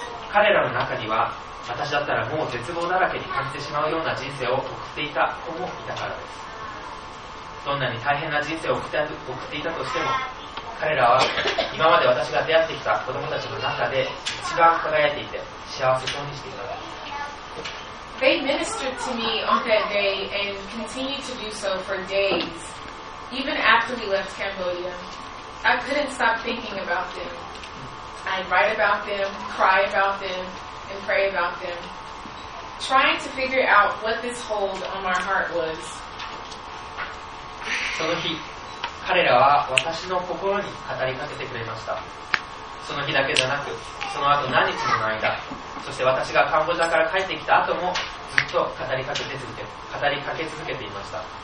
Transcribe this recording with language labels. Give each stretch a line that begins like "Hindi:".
Japanese: 彼らの中には私だったらもう絶望だらけに感じてしまうような人生を送っていた子もいたからです。どんなに大変な人生を送っていたとしても、彼らは今まで私が出会ってきた子供たちの中で一番輝いていて幸せそうにしていた。
English: They ministered to me on that day and continued to do so for days, even after we left Cambodia. I couldn't stop thinking about them. I'd write about them, cry about them, and pray about them, trying to figure out what this hold on my heart was.
Japanese: その日、彼らは私の心に語りかけてくれました。その日だけじゃなく、その後何日もの間、そして私がカンボジアから帰ってきた後もずっと語りかけ続けていました。